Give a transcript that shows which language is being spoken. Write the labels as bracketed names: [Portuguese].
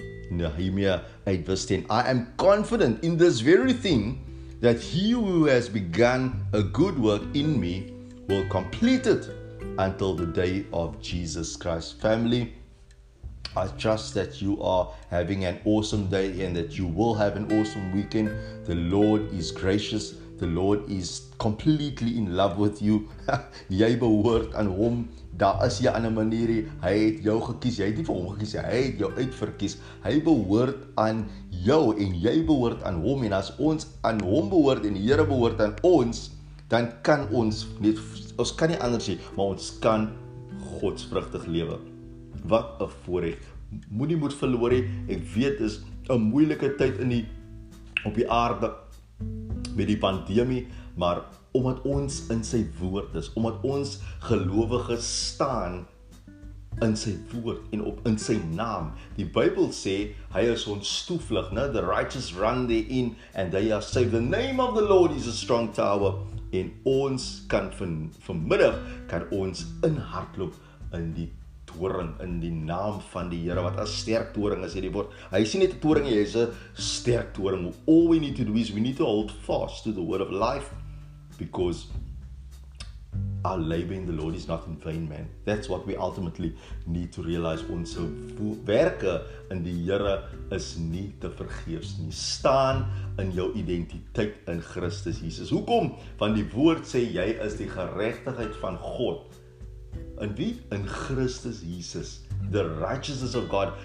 [English] Nehemiah 8 verse 10. I am confident in this very thing, that he who has begun a good work in me will complete it until the day of Jesus Christ. Family, I trust that you are having an awesome day and that you will have an awesome weekend. The Lord is gracious. The Lord is completely in love with you. [Afrikaans] Jy behoort aan hom. Daar is jy aan 'n manier. Hy het jou gekies. Jy het nie vir hom gekies. Hy het jou uitverkies. Hy behoort aan jou en jy behoort aan hom. En as ons aan hom behoort en die Here behoort aan ons, dan kan ons net, ons kan nie anders nie, maar ons kan godsvrugtig lewe. Wat 'n voorreg. Moenie moed verloor nie. Ek weet dis 'n moeilike tyd op die aarde met die pandemie, maar omdat ons in sy woord is, omdat ons gelowiges staan in sy woord en op in sy naam. Die Bybel sê, hy is ons toevlug, né? [English] The righteous run therein and they are saved. The name of the Lord is a strong tower. [Afrikaans] En ons kan vanmiddag kan ons inhardloop in die toring, in die naam van die Here, wat 'n sterk toring is hierdie woord. Hy sien net 'n toring, hy is 'n sterk toring. [English] All we need to do is we need to hold fast to the word of life, because our labor in the Lord is not in vain, man. That's what we ultimately need to realize. [Afrikaans] Ons werke in die Here is nie te vergeefs nie. Staan in jou identiteit in Christus Jesus. Hoekom? Want die woord sê jy is die geregtigheid van God. In wie? In Christus Jesus. [English] The righteousness of God.